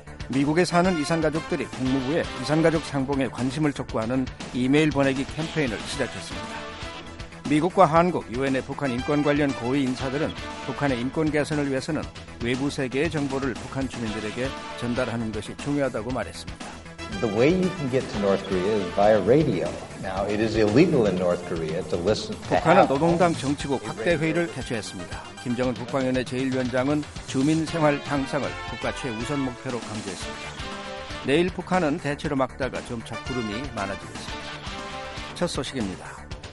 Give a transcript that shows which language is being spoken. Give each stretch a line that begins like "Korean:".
Korean: 미국에 사는 이산가족들이 국무부에 이산가족 상봉에 관심을 촉구하는 이메일 보내기 캠페인을 시작했습니다. 미국과 한국, 유엔의 북한 인권 관련 고위 인사들은 북한의 인권 개선을 위해서는 외부 세계의 정보를 북한 주민들에게 전달하는 것이 중요하다고 말했습니다.
English: The way you can get to North Korea is via radio. Now, it is illegal in North Korea to listen.
Korean: 북한은 노동당 정치국 확대 회의를 개최했습니다. 김정은 국방위원회 제1위원장은 주민 생활 향상을 국가 최우선 목표로 강조했습니다. 내일 북한은 대체로 막다가 점차 구름이 많아지겠습니다. 첫 소식입니다.